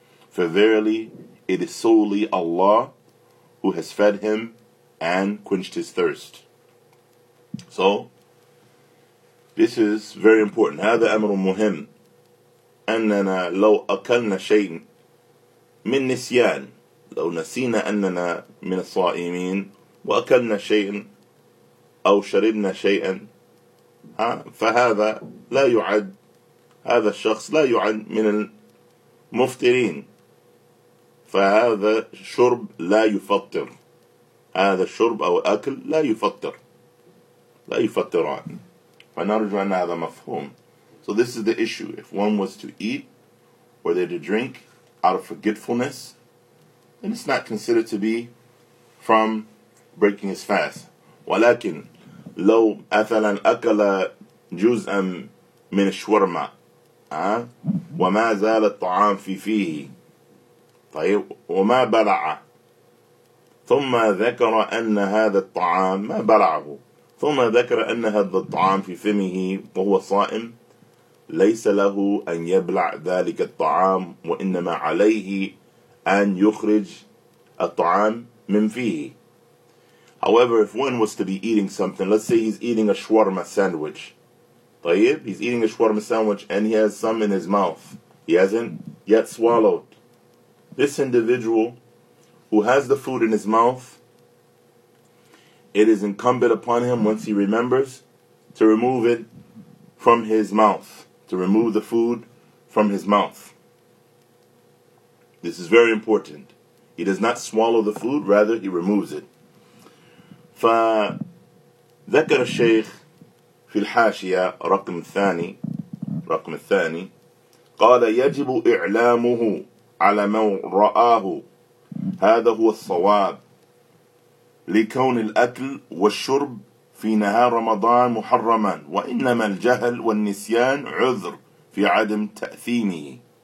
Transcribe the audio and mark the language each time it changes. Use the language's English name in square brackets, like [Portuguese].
[English] For verily, it is solely Allah who has fed him and quenched his thirst. So, this is very important. [Arabic] هذا أمر مهم. أننا لو أكلنا شيء من نسيان لو نسينا أننا من الصائمين وأكلنا شيء أو شربنا شيئا فهذا لا يعد هذا الشخص لا يعد من المفطرين فهذا شرب لا يفطر هذا الشرب أو أكل لا يفطر لا يفطران فنرجو أن هذا مفهوم. [English] So this is the issue. If one was to eat or they to drink out of forgetfulness, then it's not considered to be from breaking his fast. [Arabic] ولكن لو مثلا أكل جزءا من الشاورما وما زال الطعام في فيه طيب وما بلع ثم ذكر أن هذا الطعام ما بلعه ثم ذكر أن هذا الطعام في فمه وهو صائم ليس له أن يبلع ذلك الطعام وإنما عليه أن يخرج الطعام من فيه. [English] However, if one was to be eating something, let's say he's eating a shawarma sandwich. طيب, he's eating a shawarma sandwich and he has some in his mouth. He hasn't yet swallowed. This individual who has the food in his mouth, it is incumbent upon him once he remembers to remove it from his mouth. To remove the food from his mouth. This is very important. He does not swallow the food, rather he removes it. [Arabic] فذكر الشيخ في الحاشية رقم الثاني قال يجب إعلامه على من رآه هذا هو الصواب لكون الأكل والشرب في نهار رمضان محرما وإنما الجهل والنسيان عذر في عدم تأثيمه